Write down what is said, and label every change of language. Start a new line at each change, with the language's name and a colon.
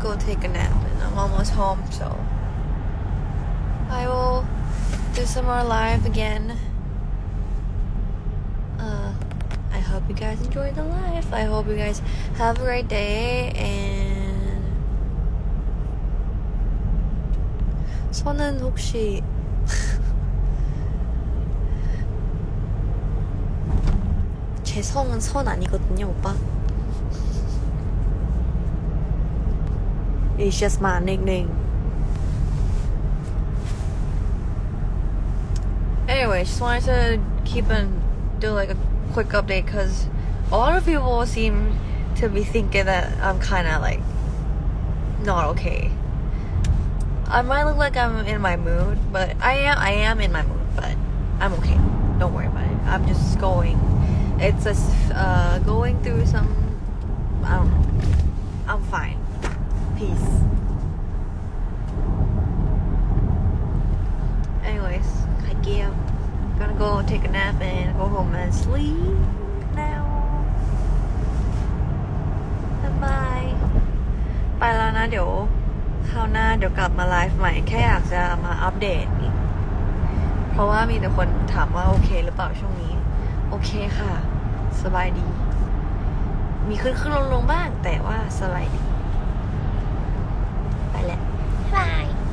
English: Take a nap and I'm almost home so I will do some more live again I hope you guys enjoy the live I hope you guys have a great day and
Korean: 저는 혹시 제 성은 선 아니거든요 오빠
English: It's just my nickname. Anyway, just wanted to keep and do like a quick update because a lot of people seem to be thinking that I'm kind of like not okay. I might look like I'm in my mood, but I am in my mood, but I'm okay. Don't worry about it. I'm just going. It's just going through some, I don't know. I'm fine. Peace. Anyways, I give. I'm gonna go take a nap and go home and sleep now. Bye. Bye,
Thai: แล้วนะเดี๋ยวคราวหน้าเดี๋ยวกลับมาไลฟ์ใหม่แค่อยากจะมาอัปเดตเพราะว่ามีแต่คนถามว่าโอเคหรือเปล่าช่วงนี้โอเคค่ะสบายดีมีขึ้นๆลงๆบ้างแต่ว่าสบายดี
English: Bye.